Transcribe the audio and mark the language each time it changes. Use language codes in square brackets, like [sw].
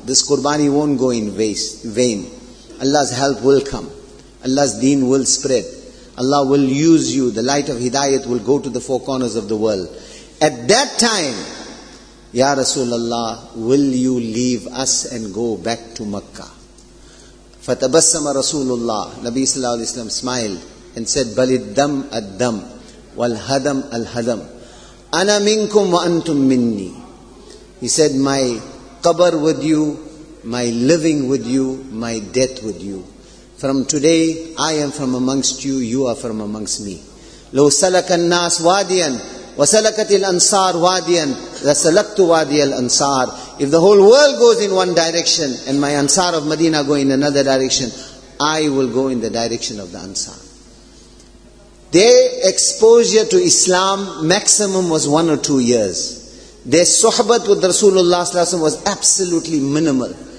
[en] This Qurbani won't go in vain. Allah's help will come. Allah's deen will spread. Allah will use you. The light of Hidayat will go to the four corners of the world. At that time, Ya Rasulullah, will you leave us and go back to Makkah?" [ar] فَتَبَسَّمَ رَسُولُ اللَّهِ [en] Nabi sallallahu alayhi wa sallam smiled and said, [ar] "بَلِ الدَّمْ الدَّمْ وَالْهَدَمْ الْهَدَمْ أَنَا مِنْكُمْ وَأَنْتُمْ مِنِّي." [en] He said, "My qabr with you, my living with you, my death with you. From today, I am from amongst you, you are from amongst me. [ar] لو سلك الناس وادياً وسلكت الأنصار وادياً لسلكت وادي الأنصار. [en] If the whole world goes in one direction and my Ansar of Medina go in another direction, I will go in the direction of the Ansar." Their exposure to Islam maximum was 1 or 2 years. Their sohbat with Rasulullah sallallahu alaihi wasallam was absolutely minimal.